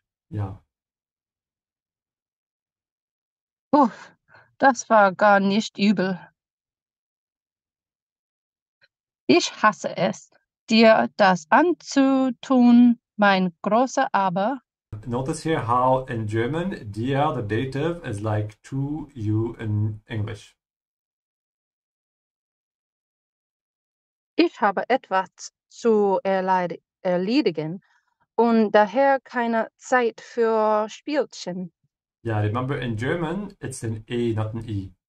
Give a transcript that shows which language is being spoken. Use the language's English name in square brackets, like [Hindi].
[German] Ja. Uff, das war gar nicht übel. Ich hasse es, dir das anzutun, mein großer Aber. [English] Notice here how in German, dir, the dative, is like to you in English. [German] Ich habe etwas zu erledigen und daher keine Zeit für Spielchen. [English] Yeah, remember in German, it's an A, not an E.